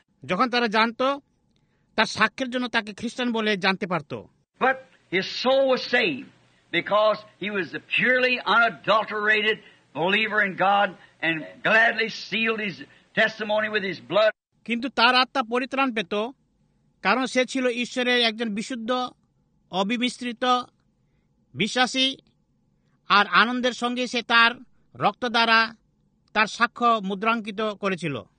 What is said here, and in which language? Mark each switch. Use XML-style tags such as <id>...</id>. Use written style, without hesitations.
<bn>যখন তারা জানত তার সাক্ষ্যের জন্য তাকে খ্রিস্টান বলে জানতে পারত।</bn> <en>His soul was saved because he was a purely unadulterated believer in God and gladly sealed his testimony with his blood.</en> <bn>কিন্তু তার আত্মা পরিত্রাণ পেত, কারণ সে ছিল ঈশ্বরের একজন বিশুদ্ধ অবিমিশ্রিত বিশ্বাসী, আর আনন্দের সঙ্গে সে তার রক্ত দ্বারা তার সাক্ষ্য মুদ্রাঙ্কিত করেছিল।</bn>